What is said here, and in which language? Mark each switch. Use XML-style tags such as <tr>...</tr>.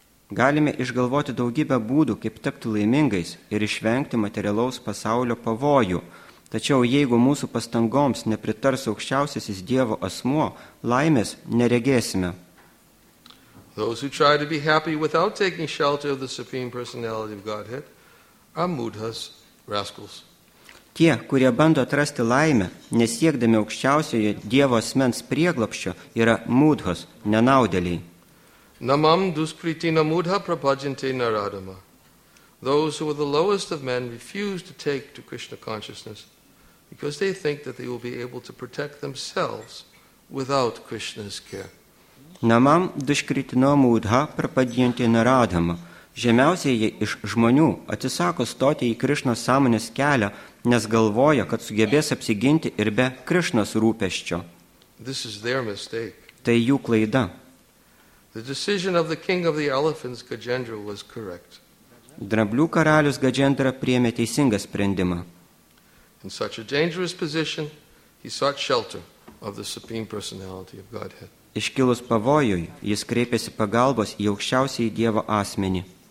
<lt>Galime išgalvoti daugybę būdų, kaip tapti laimingais ir išvengti materialaus pasaulio pavojų. Tačiau jeigu mūsų pastangoms nepritars aukščiausiasis Dievo asmuo, laimės neregėsime.</lt> <en>Those who try to be happy without taking shelter of the Supreme Personality of Godhead are mudhas, rascals.</en> <lt>Tie, kurie bando atrasti laimę, nesiekdami aukščiausiojo Dievo asmens prieglobščio, yra mudhas, nenaudėliai.</lt> <sa>Namam duskritina mudha prabhajante naradama.</sa> <en>Those who are the lowest of men refuse to take to Krishna consciousness because they think that they will be able to protect themselves without Krishna's care.</en> <sa>Namam duškritino mūdha prapadjantį naradhamą.</sa> <lt>Žemiausiai iš žmonių atsisako stoti į Krišnos sąmonės kelią, nes galvoja, kad sugebės apsiginti ir be Krišnos rūpesčio.</lt> <en>This is their mistake.</en> <lt>Tai jų klaida.</lt> <en>The decision of the king of the elephants, Gajendra, was correct.</en> <lt>Dramblių karalius Gajendra priėmė teisingą sprendimą.</lt> <en>In such a dangerous position, he sought shelter of the Supreme Personality of Godhead.</en> <lt>Iškilus pavojui, jis kreipėsi pagalbos į aukščiausiai Dievo asmenį.</lt>